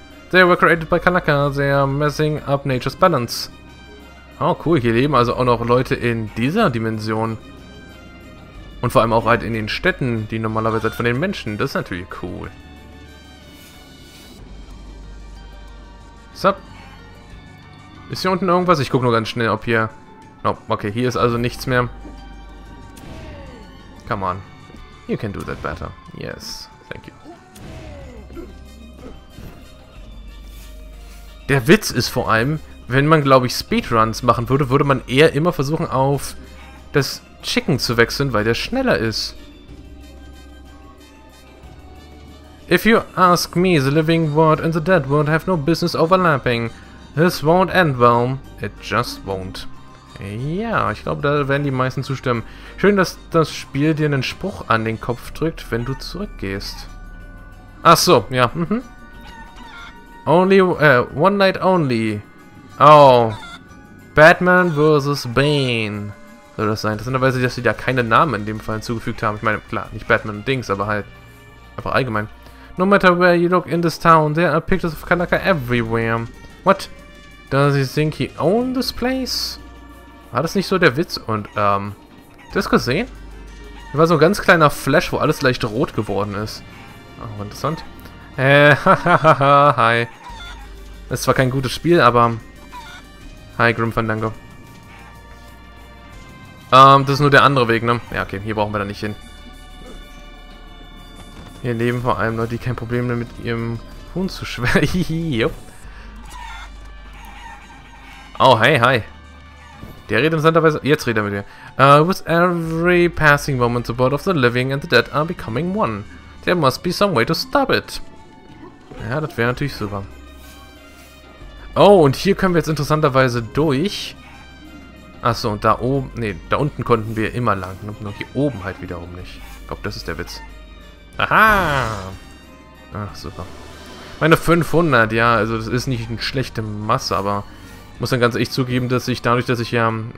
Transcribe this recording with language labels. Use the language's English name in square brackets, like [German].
[English] They were created by Kalaka, they are messing up nature's balance. [German] Oh cool, hier leben also auch noch Leute in dieser Dimension. Und vor allem auch halt in den Städten, die normalerweise halt von den Menschen. Das ist natürlich cool. Sup? Ist hier unten irgendwas? Ich guck nur ganz schnell, ob hier... Oh, okay, hier ist also nichts mehr. [English] Come on. You can do that better. Yes. Thank you. [German] Der Witz ist vor allem, wenn man, glaube ich, Speedruns machen würde, würde man eher immer versuchen, auf das Chicken zu wechseln, weil der schneller ist. [English] If you ask me, the living world and the dead world have no business overlapping. This won't end well. It just won't. [German] Ja, ich glaube, da werden die meisten zustimmen. Schön, dass das Spiel dir einen Spruch an den Kopf drückt, wenn du zurückgehst. Ach so, ja. [English] Mhm. Only, one night only. Oh. [German] Batman vs. Bane. Soll das sein? Interessanterweise, dass sie da keine Namen in dem Fall hinzugefügt haben. Ich meine, klar, nicht Batman und Dings, aber halt einfach allgemein. [English] No matter where you look in this town, there are pictures of Kalaka everywhere. What? Does he think he owned this place? [German] War das nicht so der Witz? Und, hast du das gesehen? Da war so ein ganz kleiner Flash, wo alles leicht rot geworden ist. Oh, interessant. Hi. Das ist zwar kein gutes Spiel, aber... Hi, Grim Fandango. Das ist nur der andere Weg, ne? Ja, okay, hier brauchen wir da nicht hin. Hier leben vor allem Leute, die kein Problem mehr mit ihrem Huhn zu schwer. [English] Yep. [German] Oh, hey, hi. Der redet interessanterweise. Jetzt redet er mit dir. [English] With every passing moment, the world of the living and the dead are becoming one. There must be some way to stop it. [German] Ja, das wäre natürlich super. Oh, und hier können wir jetzt interessanterweise durch. Achso, und da oben. Ne, da unten konnten wir immer lang. Nur hier oben halt wiederum nicht. Ich glaube, das ist der Witz. Aha! Ach, super. Meine 500, ja, also das ist nicht eine schlechte Masse, aber ich muss dann ganz echt zugeben, dass ich dadurch, dass ich ja.